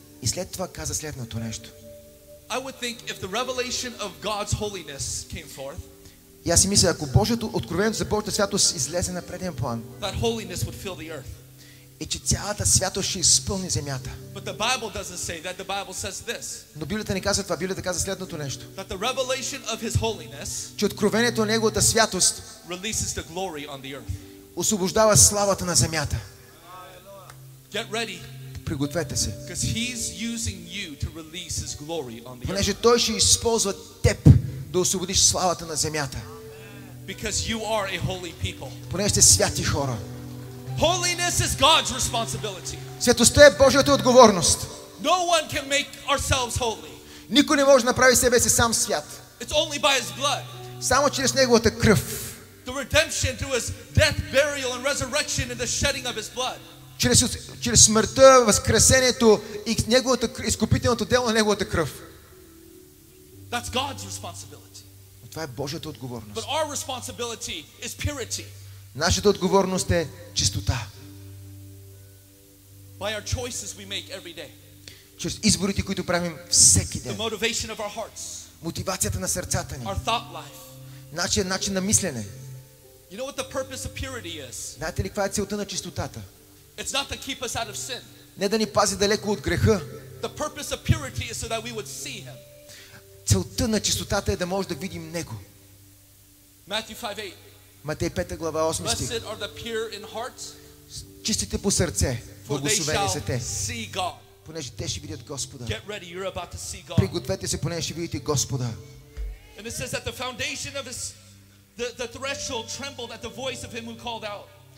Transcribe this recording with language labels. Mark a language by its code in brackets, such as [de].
[bg] И след това каза следното нещо. [en] I would think if the revelation of God's holiness came forth. [bg] Я си мисля, ако Божието откровение за Божията святост излезе на преден план. [en] That holiness would fill the earth. [bg] И че цялата святост ще изпълни земята. [en] But the Bible doesn't say that. The Bible says this. [bg] Но Библията не казва това. Библията казва следното нещо. [en] That the revelation of his holiness. [bg] Че откровението на неговата святост [en] releases the glory on the earth. [bg] Освобождава славата на земята. [en] Get ready. [bg] Пригответе се. [en] Because he's using you to release his glory on the earth. [bg] Понеже той ще използва теб да освободиш славата на земята. [en] Because you are a holy people. [bg] Понеже сте святи хора. [en] Holiness is God's responsibility. [bg] Святостта е Божията отговорност. [en] No one can make ourselves holy. [bg] Никой не може да направи себе си сам свят. [en] It's only by his blood. [bg] Само чрез неговата кръв. [en] The redemption through his death, burial and resurrection and the shedding of his blood. [bg] Чрез смъртта, възкресението и неговото изкупителното дело на неговата кръв. [en] That's God's responsibility. [bg] Това е Божията отговорност. [en] But our responsibility is purity. [bg] Нашата отговорност е чистота. [en] By our choices we make every day. [bg] Чрез изборите, които правим всеки ден. [en] The motivation of our hearts. [bg] Мотивацията на сърцата ни. [en] Our thought life. [bg] Начин на мислене. [en] You know what the purpose of purity is? [bg] Знаете ли каква е целта на чистотата? [en] It's not to keep us out of sin. [bg] Не да ни пази далеко от греха. [en] The purpose of purity is so that we would see him. [bg] Целта на чистотата е да може да видим него. [en] Matthew 5:8. [bg] Матей 5 глава 8 стих. [en] Blessed are the pure in heart. [bg] Чистите по сърце, благословени са те. [en] See God. [bg] Понеже те ще видят Господа. [en] Get ready, you're about to see God. [bg] Пригответе се, понеже ще видите Господа. [en] And it says that the foundation of his the threshold trembled at the voice of him who called out.